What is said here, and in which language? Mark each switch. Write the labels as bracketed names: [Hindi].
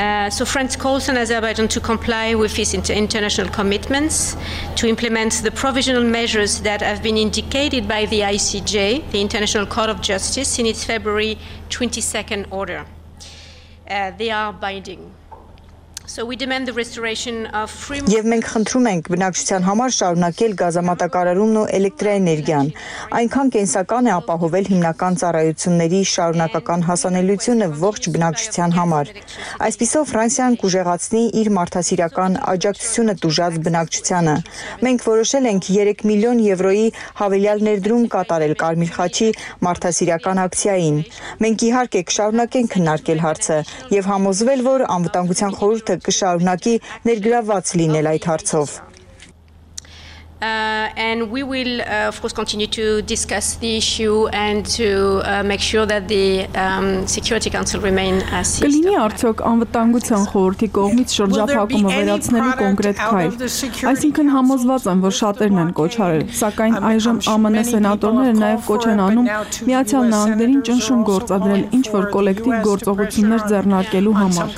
[English] So France calls on Azerbaijan to comply with its international commitments, to implement the provisional measures that have been indicated by the ICJ, the International Court of Justice, in its February 22nd order. They are binding. So we demand the restoration of free market. [Armenian] Եվ մենք խնդրում ենք բնակչության համար շարունակել գազամատակարարումն ու էլեկտրաէներգիան։ Այնքան կենսական է ապահովել հիմնական ծառայությունների շարունակական հասանելիությունը ողջ բնակչության համար։ Այսպիսով Ֆրանսիան կուժեղացնի իր մարդասիրական աջակցությունը տուժած բնակչությանը։ Մենք որոշել ենք 3 միլիոն եվրոյի հավելյալ ներդրում կատարել Կարմիր խաչի մարդասիրական ակցիային։ Մենք իհարկե կշարունակենք քննարկել հարցը եւ համոզվել, որ անվտանգության խորհուրդը կշարունակի ներգրավված լինել այդ հարցով։ [English] And we will, of course, continue to discuss the issue and to make sure that the Security Council remain as is. [Armenian] Կլինի արդյոք անվտանգության խորհրդի կողմից շրջափակումը վերացնելու կոնկրետ քայլ։ Այսինքն համոզված եմ, որ շատերն են կոչարել, սակայն այժմ ԱՄՆ սենատորները նաև կոչ են անում Միացյալ Նահանգներին ճնշում գործադրել ինչ-որ կոլեկտիվ գործողություններ ձեռնարկելու համար։